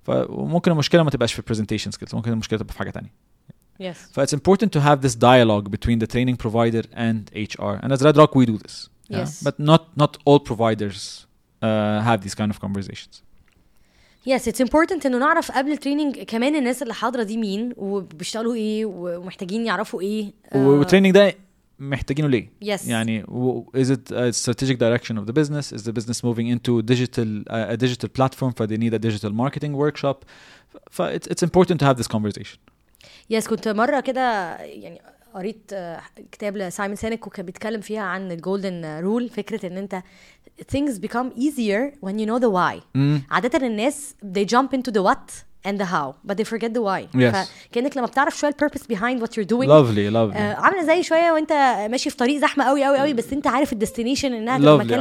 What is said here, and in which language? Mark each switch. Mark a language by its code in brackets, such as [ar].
[ar] ممكن المشكله ما تبقاش في presentation skills, ممكن المشكله تبقى في حاجه تانية. [en] Yes. So it's important to have this dialogue between the training provider and HR. And as Red Rock, we do this. Yes. Yeah? But not all providers have these kind of conversations. Yes, it's important to know [ar] قبل training كمان الناس اللي حاضره دي مين وبيشتغلوا ايه ومحتاجين يعرفوا ايه والتريننج ده محتاجينه ليه. [en] Yes. يعني is it a strategic direction of the business? Is the business moving into digital a digital platform for they need a digital marketing workshop? It's important to have this conversation. [ar] Yes, كنت مرة كده يعني قريت كتاب لسايمون سينيك وكان بيتكلم فيها عن الجولدن رول, فكرة ان انت [en] things become easier when you know the why. [ar] عادة الناس [en] they jump into the what and the how, but they forget the why. Yes. [ar] كأنك لما بتعرف شوية [en] purpose behind what you're doing. Lovely, lovely. [ar] عامل زي شوية وانت ماشي في طريق زحمة قوي قوي قوي بس انت عارف [en] the destination [ar] انها مكان